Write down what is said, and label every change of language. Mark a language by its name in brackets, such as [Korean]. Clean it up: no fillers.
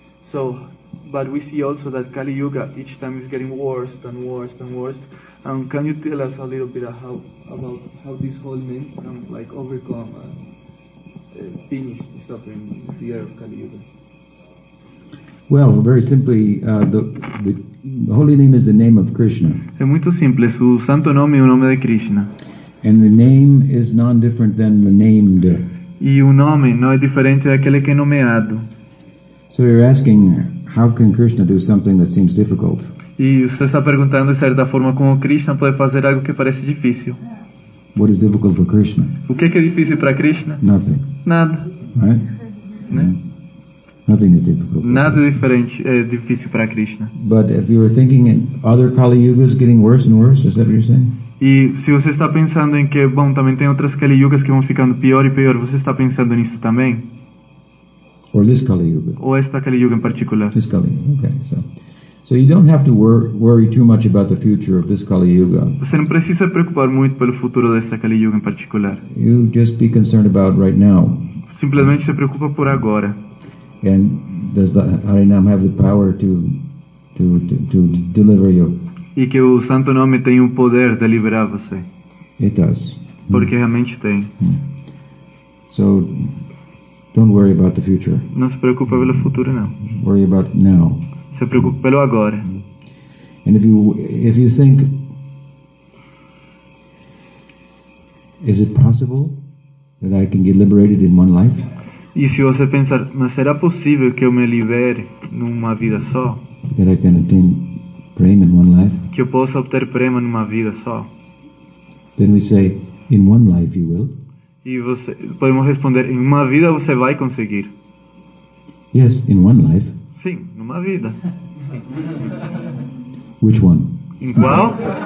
[English] So, but we see also that Kali Yuga each time is getting worse and worse and worse. Can you tell us a little bit about how this holy name can like overcome and finish the suffering in the era of Kali Yuga? Well, very simply, the holy name is the name of Krishna. [Italian] È molto semplice, il santo nome è un nome di Krishna. [English] And the name is non different than the named. [Italian] E un nome non è differente da quello che è nominato. [English] So you're asking, how can Krishna do something that seems difficult? [Portuguese] E você está perguntando de certa forma como Krishna pode fazer algo que parece difícil. [English] What is difficult for Krishna? [Portuguese] O que é difícil para Krishna? [English] Nothing. [Portuguese] Nada. [English] Right? [Portuguese] Né? [English] Nothing is difficult. [Portuguese] Nada diferente é difícil para Krishna. [English] But if you were thinking in other Kali Yugas getting worse and worse, is that what you're saying? [Portuguese] E se você está pensando em que, bom, também tem outras Kali Yugas que vão ficando pior e pior, você está pensando nisso também? [English] Or this Kali Yuga. [Portuguese] Ou esta Kali Yuga em particular. [English] This Kali Yuga. Okay, so. So you don't have to worry too much about the future of this Kali Yuga. [Portuguese] Você não precisa preocupar muito pelo futuro desta Kali Yuga em particular. [English] You just be concerned about right now. [Portuguese] Simplesmente se preocupa por agora. [English] And does the Harinam have the power to deliver you? [Portuguese] E que o Santo Nome tem o poder de liberar você. [English] It does. [Portuguese] Porque realmente tem. [English] So don't worry about the future. [Portuguese] Não se preocupe pelo futuro não. [English] Worry about now. [Portuguese] Se preocupe pelo agora. [English] And if you think, is it possible that I can get liberated in one life? [Portuguese] E se você pensar, mas será possível que eu me libere numa vida só? [English] That I can attain prema in one life? [Portuguese] Que eu possa obter prema numa vida só? [English] Then we say, in one life you will. [Portuguese] E você, podemos responder, em uma vida você vai conseguir. [English] Yes, in one life. [Portuguese] Sim, numa vida. [English] Which one? [Portuguese] Em qual?